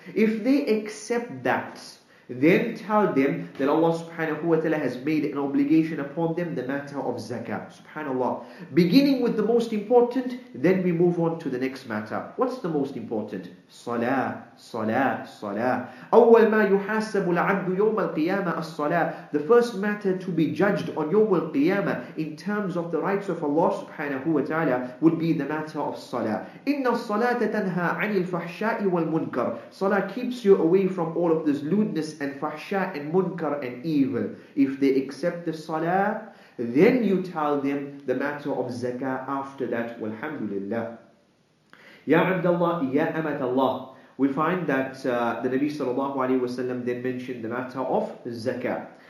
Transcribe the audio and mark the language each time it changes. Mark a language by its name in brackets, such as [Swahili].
[English] If they accept that, then tell them that Allah subhanahu wa ta'ala has made an obligation upon them, the matter of zakah, subhanallah. Beginning with the most important, then we move on to the next matter. What's the most important? Salah. [Arabic] صلاة صلاة. أول ما يحاسب العبد يوم القيامة الصلاة. [English] The first matter to be judged on [Arabic] يوم القيامة [English] in terms of the rights of Allah سبحانه وتعالى would be the matter of صلاة. [Arabic] إن الصلاة تنهى عن الفحشاء والمنكر. [English] Salah keeps you away from all of this lewdness and فحشاء and منكر and evil. If they accept the صلاة, then you tell them the matter of zakah after that. Walhamdulillah. Ya Abdullah, ya Amat Allah. We find that the Nabi sallallahu alayhi wa sallam then mentioned the matter of zakah.